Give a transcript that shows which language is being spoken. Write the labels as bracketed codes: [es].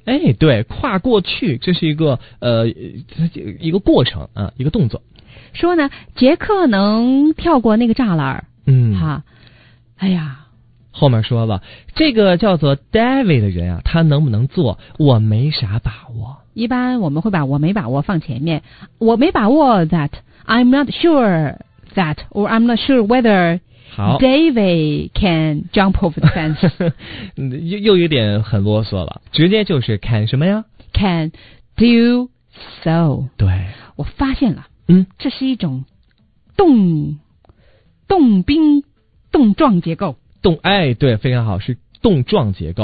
[zh] 哎对跨过去这是一个一个过程啊一个动作说呢杰克能跳过那个栅栏哎呀后面说了这个叫做 David 的人啊他能不能做我没啥把握一般我们会把我没把握放前面我没把握 that [en] I'm not sure that or I'm not sure whether David can jump over the fence. [zh] 又有点很啰嗦了，直接就是 can 什么呀？ [en] Can do so. [zh] 对，我发现了，嗯，这是一种动兵动状结构。动，哎，对，非常好，是动状结构。